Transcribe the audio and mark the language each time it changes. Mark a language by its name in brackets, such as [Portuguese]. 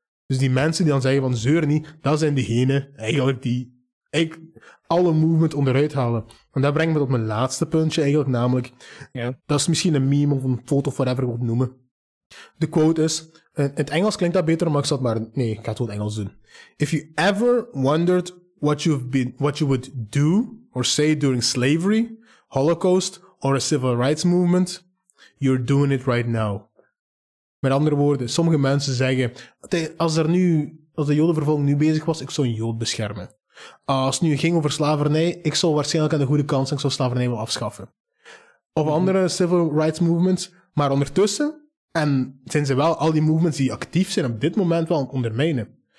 [Dutch] Dus die mensen die dan zeggen van zeur niet, dat zijn diegenen eigenlijk die eigenlijk alle movement onderuit halen. En dat brengt me op mijn laatste puntje eigenlijk, namelijk, dat is misschien een meme of een foto of whatever ik wil noemen. De quote is, in het Engels klinkt dat beter, Max, maar nee, ik ga het gewoon Engels doen. [English] If you ever wondered what you would do or say during slavery, Holocaust, or a civil rights movement, you're doing it right now. [Dutch] Met andere woorden, sommige mensen zeggen, als de jodenvervolging nu bezig was, ik zou een jood beschermen. Als het nu ging over slavernij, ik zou waarschijnlijk aan de goede kant zijn, ik zou slavernij wel afschaffen. Of andere civil rights movements, maar ondertussen, en zijn ze wel al die movements die actief zijn op dit moment wel ondermijnen.